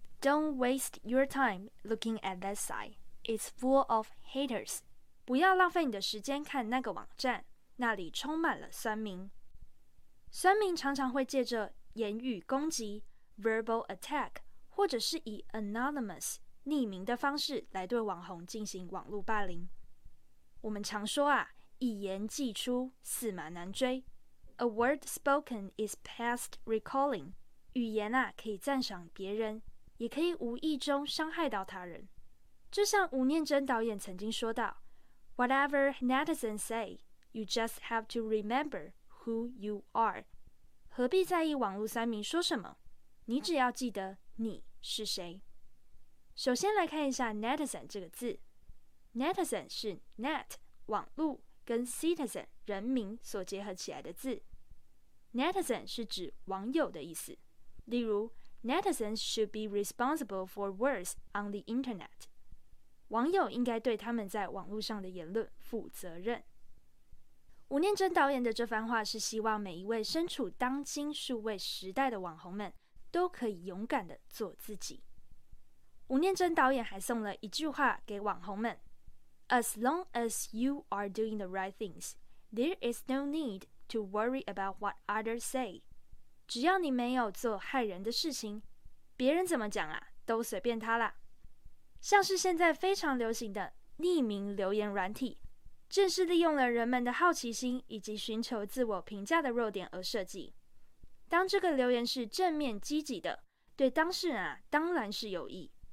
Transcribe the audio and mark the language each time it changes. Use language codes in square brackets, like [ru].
[en] Don't waste your time looking at that site. It's full of haters. [zh] 不要浪费你的时间看那个网站，那里充满了酸民。酸民常常会借着言语攻击 verbal attack， 或者是以 anonymous 匿名的方式来对网红进行网络霸凌。我们常说啊，一言既出，驷马难追。 [en] A word spoken is past recalling. [zh] 语言啊，可以赞赏别人，也可以无意中伤害到他人。就像吴念真导演曾经说到 [en] ，Whatever netizens say, you just have to remember who you are. [zh] 何必在意网络酸民说什么？你只要记得你是谁。首先来看一下 netizen 这个字。 Netizen 是 net 网路跟 citizen 人民所结合起来的字。 [en] Netizen [zh] 是指网友的意思。例如 [en] ，Netizens should be responsible for words on the internet。 [zh] 网友应该对他们在网路上的言论负责任。吴念真导演的这番话是希望每一位身处当今数位时代的网红们都可以勇敢的做自己。吴念真导演还送了一句话给网红们。 [en] As long as you are doing the right things, there is no need to worry about what others say. [zh] 只要你没有做害人的事情，别人怎么讲啊，都随便他啦。像是现在非常流行的匿名留言软体，正是利用了人们的好奇心以及寻求自我评价的弱点而设计。当这个留言是正面积极的，对当事人啊，当然是有益。